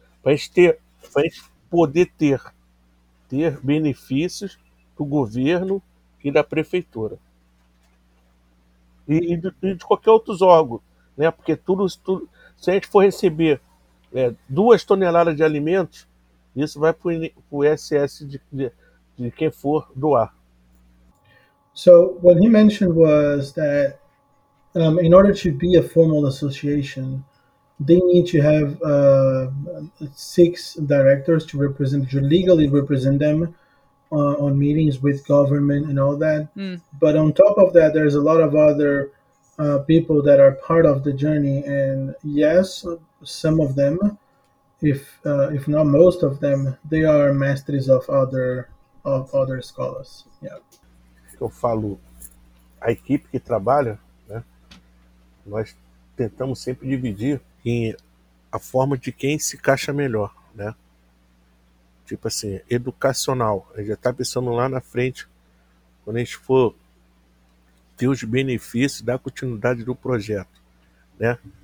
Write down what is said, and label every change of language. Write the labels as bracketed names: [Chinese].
[Portuguese] Para a gente poder ter benefícios do governo e da prefeitura. E de qualquer outro órgão, né? Porque tudo, se a gente for receber duas toneladas de alimentos, isso vai pro SS de quem for doar. [English] So what he mentioned was that in order to be a formal association, they need to have six directors to represent, to legally represent them. On meetings with government and all that. Mm. But on top of that, there's a lot of other people that are part of the journey. And yes, some of them, if not most of them, they are masters of other scholars. Yeah. [Portuguese] Eu falo, a equipe que trabalha, né, nós tentamos sempre dividir em a forma de quem se encaixa melhor, né? Tipo assim, educacional. A gente já está pensando lá na frente, quando a gente for ter os benefícios da continuidade do projeto, né?